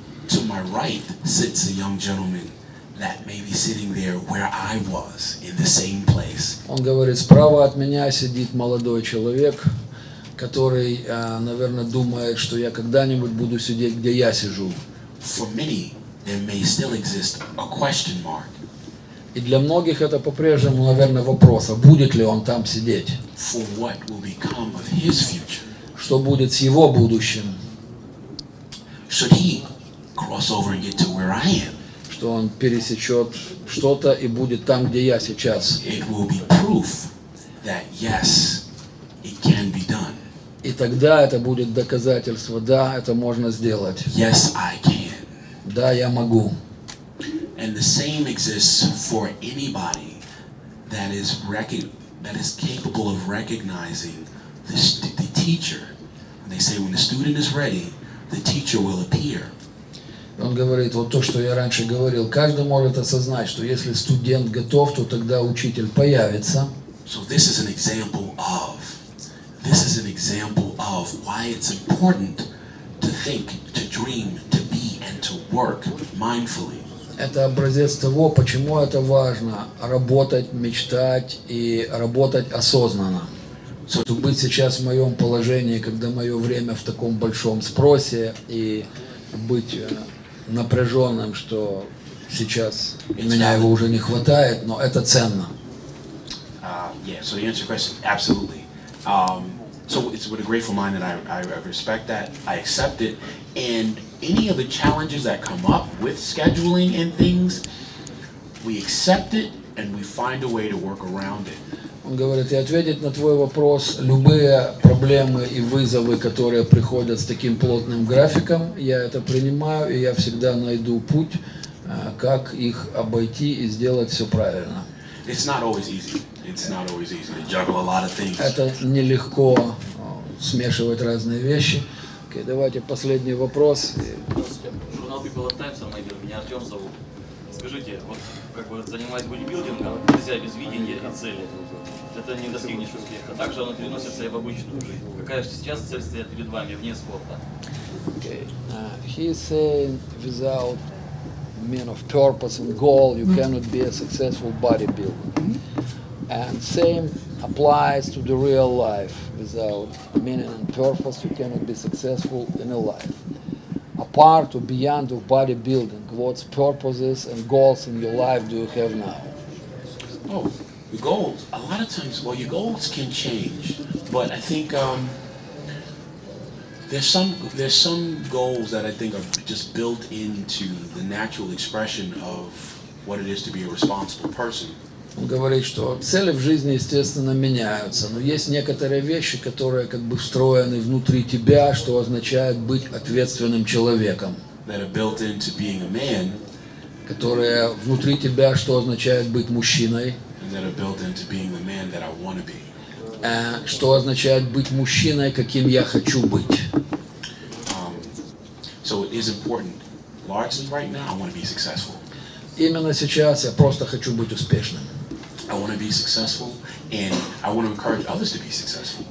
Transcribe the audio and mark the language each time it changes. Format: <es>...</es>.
<en>To my right sits a young gentleman that may be sitting there where I was, in the same place.</en> <ru>Он говорит, справа от меня сидит молодой человек, который, наверное, думает, что я когда-нибудь буду сидеть, где я сижу.</ru> <en>For many, there may still exist a question mark.</en> <ru>И для многих это по-прежнему, наверное, вопрос, а будет ли он там сидеть?</ru> <en>For what will become of his future?</en> <ru>Что будет с его будущим?</ru> <en>Should he cross over and get to where I am?</en> <ru>Что он пересечет что-то и будет там, где я сейчас.</ru> <en>It will be proof that yes, it can be done.</en> <ru>И тогда это будет доказательство, да, это можно сделать.</ru> <en>Yes, I can.</en> <ru>Да, я могу.</ru> <en>And the same exists for anybody that is capable of recognizing the teacher. When they say when the student is ready, the teacher will appear.</en> <ru>Он говорит, вот то, что я раньше говорил, каждый может осознать, что если студент готов, то тогда учитель появится.</ru> <en>So this is an example of why it's important to think, to dream, to be and to work mindfully.</en> <ru>Это образец того, почему это важно работать, мечтать и работать осознанно.</ru> <en>So to</en> <ru>быть сейчас в моем положении, когда мое время в таком большом спросе и быть напряженным, что сейчас у меня его уже не хватает, но это ценно.</ru> <en>So to answer your question, absolutely. So it's with a grateful mind that I respect that, I accept it. And any of the challenges that come up with scheduling and things, we accept it and we find a way to work around it.</en> <ru>Он говорит, и ответить на твой вопрос, любые проблемы и вызовы, которые приходят с таким плотным графиком, я это принимаю, и я всегда найду путь, как их обойти и сделать все правильно.</ru> <en>It's not always easy. It's not always easy to juggle a lot of things.</en> <ru>Это нелегко смешивать разные вещи. Окей, давайте последний вопрос. Журнал People of Times, меня Артем зовут. Скажите, занимаясь бодибилдингом, нельзя без видения и цели. Это не достигнешь успеха. Также оно переносится и в обычную жизнь. Какая же сейчас цель стоит перед вами вне спорта?</ru> <en>Okay. He is saying without man of purpose and goal, you cannot be a successful bodybuilder. And same applies to the real life. Without meaning and purpose, you cannot be successful in a life. Apart or beyond of bodybuilding, what purposes and goals in your life do you have now? Oh, the goals. A lot of times, your goals can change, but I think there's some goals that I think are just built into the natural expression of what it is to be a responsible person.</en> <ru>Он говорит, что цели в жизни, естественно, меняются, но есть некоторые вещи, которые как бы встроены внутри тебя, что означает быть ответственным человеком.</ru> <en>That are built into being a man.</en> <ru>Которые внутри тебя, что означает быть мужчиной.</ru> <en>And that are built into being the man that I want to be.</en> <ru>Что означает быть мужчиной, каким я хочу быть.</ru> <en>So it is important. Largely right now, I want to be successful.</en> <ru>Именно сейчас я просто хочу быть успешным.</ru> <en>I want to be successful, and I want to encourage others to be successful.</en>